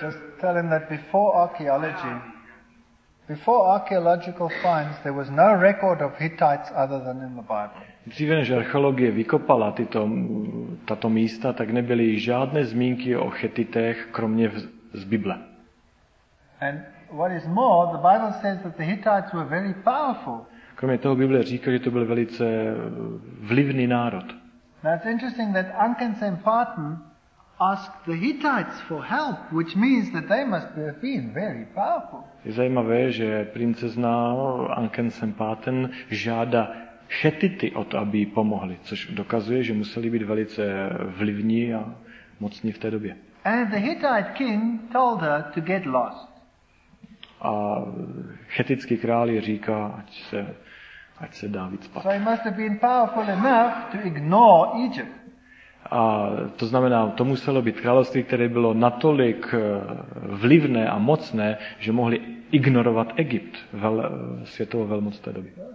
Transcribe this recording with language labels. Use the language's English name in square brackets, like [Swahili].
[English] Just tell him that before archaeological finds, there was no record of Hittites other than in the Bible. [Czech] Dříve než archeologie vykopala tato místa, tak nebyly žádné zmínky o Chetitech kromě z Bible. [English] And what is more, the Bible says that the Hittites were very powerful. [Czech] Kromě toho Bible říká, že to byl velice vlivný národ. [English] Now it's interesting that Ankens and Parton asked the Hittites for help, which means that they must have been very powerful. [Czech] Je zajímavé, že princezna Ankens and Parton žádá Chetity o to, aby jí pomohli, což dokazuje, že museli být velice vlivní a mocní v té době. [English] And the Hittite king told her to get lost. [Czech] A chetický král je říká, ať se dá víc spát. [English] So he must have been powerful enough to ignore Egypt. [Czech] A to znamená, to muselo být království, které bylo natolik vlivné a mocné, že mohli ignorovat Egypt, světovou velmoc té doby.